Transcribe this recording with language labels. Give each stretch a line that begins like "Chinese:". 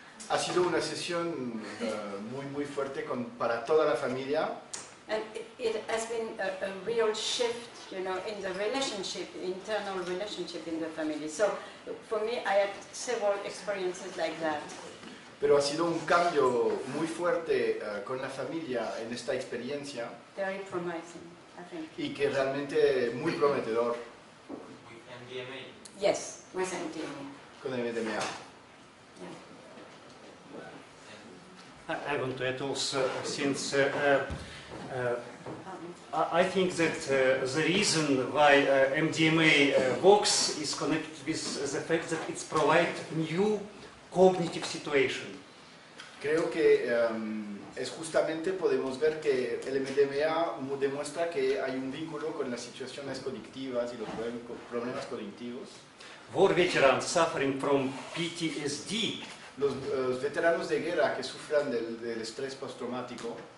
Spanish: Ha sido una sesión muy muy fuerte para toda la familia.
English: And it has been a real shift, you know, in the relationship, internal relationship in the family. So, for me, I had several experiences like that.
Spanish: Pero ha sido un cambio muy fuerte con la familia en esta experiencia.
English: Very promising, I think.
Spanish: Y que realmente muy prometedor.
English: With MDMA. Yes, with MDMA.
Spanish: Con MDMA. Yeah.
English: I want to add also, since I think that the reason why MDMA works is connected with the fact that it provides new cognitive situation.
Spanish: Creo que es justamente podemos ver que el MDMA demuestra que hay un vínculo con las situaciones cognitivas y los problemas cognitivos.
English: War veterans suffering from PTSD.
Spanish: Los veteranos de guerra que sufran del estrés postraumático.